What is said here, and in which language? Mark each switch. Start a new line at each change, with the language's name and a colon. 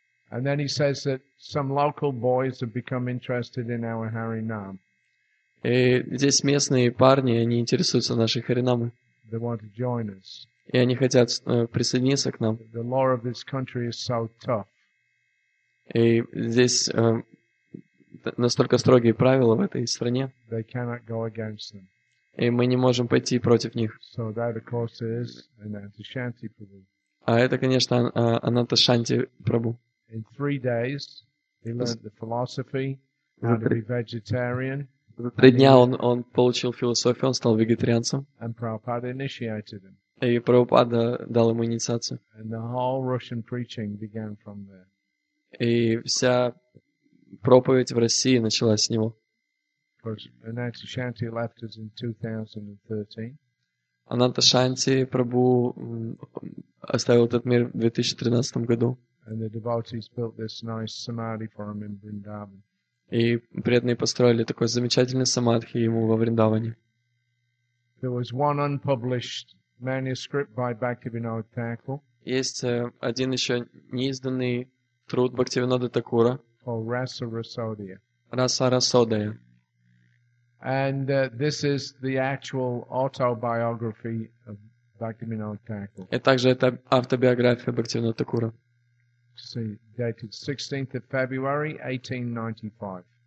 English: And then he says that some local boys have become interested in our Harinam.
Russian: И здесь местные парни, они интересуются нашей Харинамой.
English: They want to join us.
Russian: И они хотят присоединиться к нам.
English: The law of this country is so tough.
Russian: И здесь настолько строгие правила в этой стране.
English: They cannot go against them.
Russian: И мы не можем пойти против них.
English: So that, of course, is an anti-shanti for them.
Russian: А это, конечно, Ананта-шанти Прабу.
English: In 3 days, he learned the philosophy, how to be vegetarian.
Russian: За 3 дня он получил философию, он стал вегетарианцем.
English: And Prabhupada initiated him.
Russian: И Прабхупада дал ему инициацию.
English: And the whole Russian preaching began from there.
Russian: И вся проповедь в России началась с него.
English: Ананта-шанти left us in 2013.
Russian: Ананта-шанти Прабу оставил этот мир в 2013 году.
English: And the devotees built this nice samadhi for him in Vrindavan.
Russian: И преданные построили такой замечательный самадхи ему во Вриндаване.
English: There was one unpublished manuscript by Bhaktivinoda Thakur.
Russian: Есть один еще неизданный труд Бхактивинода Такура.
English: Rasa Rasodaya. Rasa Rasodaya. And this is the actual autobiography of Bhaktivinoda Thakur.
Russian: И также это автобиография Бхактивинода Такура.
English: See, dated 16th of February, 1895.